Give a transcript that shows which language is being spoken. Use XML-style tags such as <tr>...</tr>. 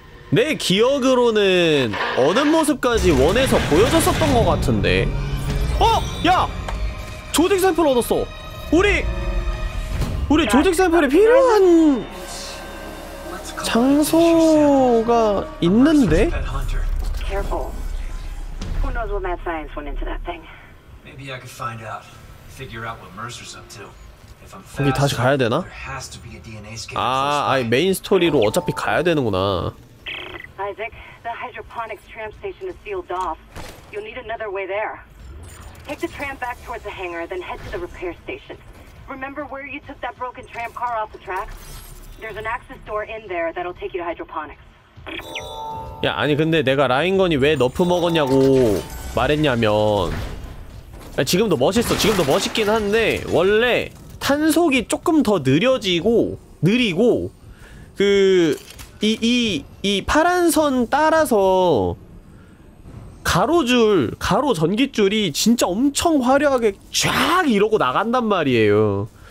<ko>내 기억으로는 어느 모습까지 원에서 보여줬었던 것 같은데. 어! 야! 조직 샘플 얻었어! 우리 조직 샘플이 필요한 장소가 있는데?</ko> <en>Careful. Who knows what mad science went into that thing? Maybe I could find out. Figure out what Mercer's up to.</en> <ko>거기 다시 가야 되나? 아, 아니 메인 스토리로 어차피 가야 되는구나.</ko> <en>Isaac, the hydroponics tram station is sealed off. You'll need another way there. Take the tram back towards the hangar, then head to the repair station. Remember where you took that broken tram car off the tracks? There's an access door in there that'll take you to hydroponics.</en> <ko>야, 아니 근데 내가 라인건이 왜 너프 먹었냐고 말했냐면, 야, 지금도 멋있어. 지금도 멋있긴 한데 원래 탄속이 조금 더 느리고 그 이 파란 선 따라서 가로 전기줄이 진짜 엄청 화려하게 쫙 이러고 나간단 말이에요.</ko>